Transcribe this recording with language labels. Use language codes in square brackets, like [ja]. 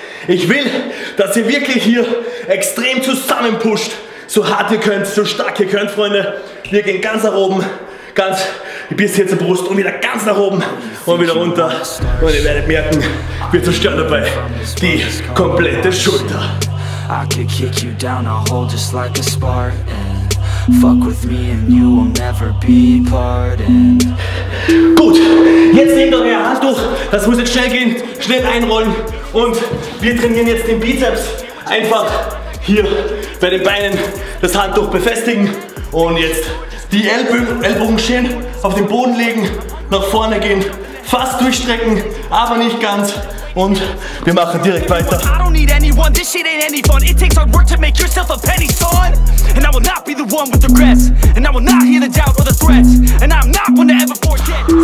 [de] Ich will, dass ihr wirklich hier extrem zusammenpusht, so hart ihr könnt, so stark ihr könnt, Freunde. Wir gehen ganz nach oben, ganz bis hier zur Brust und wieder ganz nach oben und wieder runter. Und ihr werdet merken, wir zerstören dabei die komplette Schulter. [en] I could kick you down a hole just like a Spartan. Fuck with me and you will never be pardoned. [de] Gut, jetzt nehmt euer Handtuch, das muss jetzt schnell gehen, schnell einrollen. Und wir trainieren jetzt den Bizeps. Einfach hier bei den Beinen das Handtuch befestigen. Und jetzt die Ellbogen schön auf den Boden legen, nach vorne gehen, fast durchstrecken, aber nicht ganz. Und wir machen direkt weiter. [en] I don't need anyone, this shit ain't any fun. It takes hard work to make yourself a penny, son. And I will not be the one with regrets. And I will not hear the doubt or the threats. And I'm not one to ever forget.